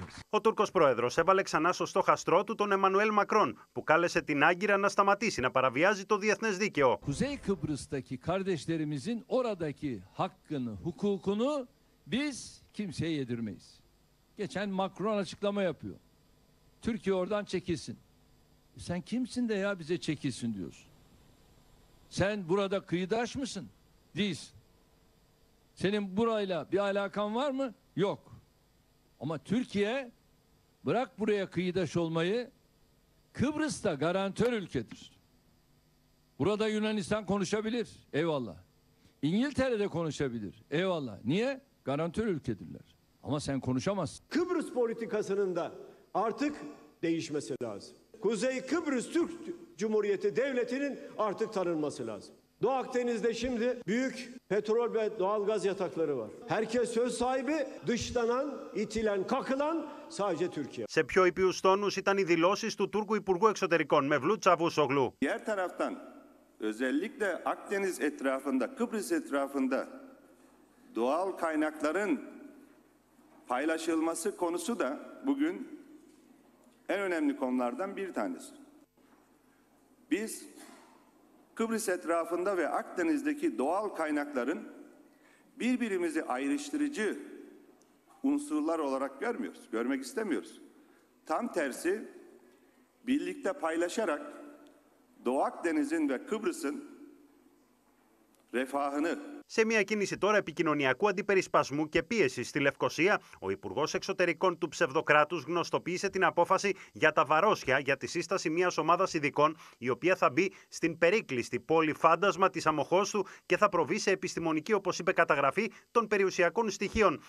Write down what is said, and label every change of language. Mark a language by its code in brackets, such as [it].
[el] Ο Τούρκος Πρόεδρος έβαλε ξανά στο στόχαστρό του τον Εμμανουέλ Μακρόν, που κάλεσε την Άγκυρα να σταματήσει να παραβιάζει το διεθνές δίκαιο. [tr] Κουζέι Κύπρος'taki kardeşlerimizin oradaki hakkını, hukukunu biz kimseye yedirmeyiz. Geçen Macron açıklama yapıyor. Türkiye oradan çekilsin. Sen kimsin de ya bize çekilsin diyorsun. Sen burada kıyıdaş mısın? Değilsin. Senin burayla bir alakan var mı? Yok. Ama Türkiye bırak buraya kıyıdaş olmayı, Kıbrıs'ta garantör ülkedir. Burada Yunanistan konuşabilir, eyvallah. İngiltere'de konuşabilir, eyvallah. Niye? Garantör ülkedirler. Ama sen konuşamazsın. Kıbrıs politikasının da artık değişmesi lazım. Kuzey Kıbrıs Türk Cumhuriyeti Devleti'nin artık tanınması lazım. Doğu Akdeniz'de şimdi büyük petrol ve doğalgaz yatakları var. Herkes söz sahibi, dışlanan, itilen, kakılan sadece Türkiye. [el] Σε πιο ήπιους τόνους ήταν οι δηλώσεις του Τούρκου Υπουργού Εξωτερικών, Mevlüt Çavuşoğlu. [tr] Diğer taraftan, özellikle Akdeniz etrafında, Kıbrıs etrafında doğal kaynakların paylaşılması konusu da bugün en önemli konulardan bir tanesi. Biz Kıbrıs etrafında ve Akdeniz'deki doğal kaynakların birbirimizi ayrıştırıcı unsurlar olarak görmüyoruz, görmek istemiyoruz. Tam tersi, birlikte paylaşarak Doğu Akdeniz'in ve Kıbrıs'ın refahını. [el] Σε μια κίνηση τώρα επικοινωνιακού αντιπερισπασμού και πίεσης στη Λευκοσία, ο Υπουργός Εξωτερικών του ψευδοκράτους γνωστοποίησε την απόφαση για τα Βαρόσια για τη σύσταση μιας ομάδας ειδικών, η οποία θα μπει στην περίκλειστη πόλη φάντασμα της Αμοχώστου και θα προβεί σε επιστημονική, όπως είπε, καταγραφή των περιουσιακών στοιχείων.